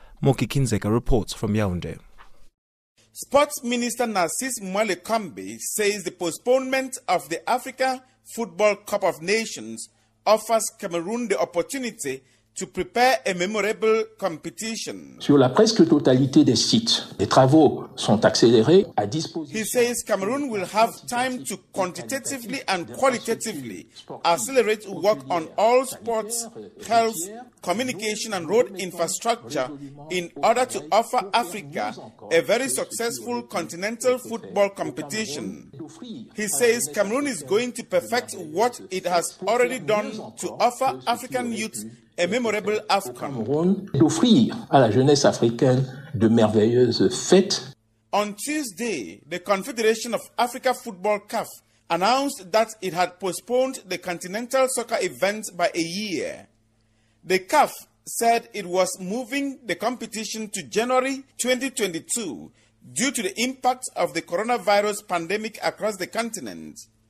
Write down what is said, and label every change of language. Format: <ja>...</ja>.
<en>Moki Kinzeka reports from Yaoundé. Sports Minister Narcisse Mwalekambe says the postponement of the Africa Football Cup of Nations offers Cameroon the opportunity to prepare a memorable competition.</en> <fr>Sur la presque totalité des sites, les travaux sont accélérés à</fr> <en>disposition. He says Cameroon will have time to quantitatively and qualitatively accelerate work on all sports, health, communication and road infrastructure in order to offer Africa a very successful continental football competition. He says Cameroon is going to perfect what it has already done to offer African youth a memorable AFCON.</en> <fr>D'offrir à la jeunesse africaine de merveilleuses fêtes.</fr> <en>On Tuesday, the Confederation of Africa Football, CAF, announced that it had postponed the continental soccer event by a year. The CAF said it was moving the competition to January 2022 due to the impact of the coronavirus pandemic across the continent.</en>